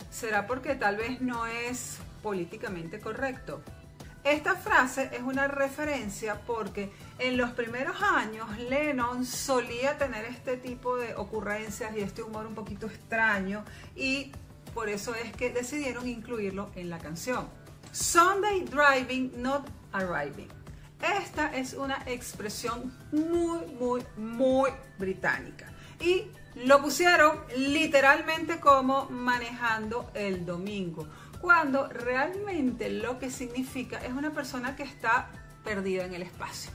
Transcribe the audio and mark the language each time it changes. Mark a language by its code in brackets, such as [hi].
[es] ¿Será porque tal vez no es políticamente correcto? Esta frase es una referencia porque en los primeros años Lennon solía tener este tipo de ocurrencias y este humor un poquito extraño, y por eso es que decidieron incluirlo en la canción. [en] "Sunday driving, not arriving". [es] Esta es una expresión muy, muy, muy británica. Y lo pusieron literalmente como "manejando el domingo", cuando realmente lo que significa es una persona que está perdida en el espacio.